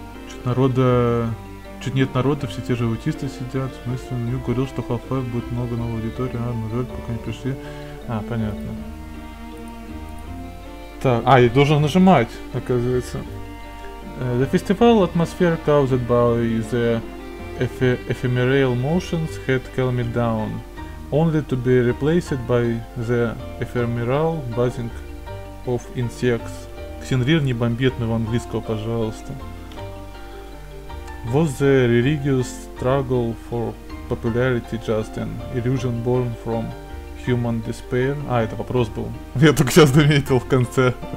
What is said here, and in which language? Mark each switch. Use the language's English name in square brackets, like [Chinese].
[Russian] Чуть народа. Чуть нет народа, все те же аутисты сидят. В смысле, Нью говорил, что Half-Life будет много новой аудитории, а на жаль, пока не пришли. А, понятно. Так, а, я должен нажимать, оказывается. [English] The festival atmosphere caused by the ephemeral motions had calmed down, only to be replaced by the ephemeral buzzing of insects. [Russian] Ксенрир, не бомбит на английского, пожалуйста. [English] Was the religious struggle for popularity just an illusion born from human despair? [Russian] А, это вопрос был. Я только сейчас заметил в конце.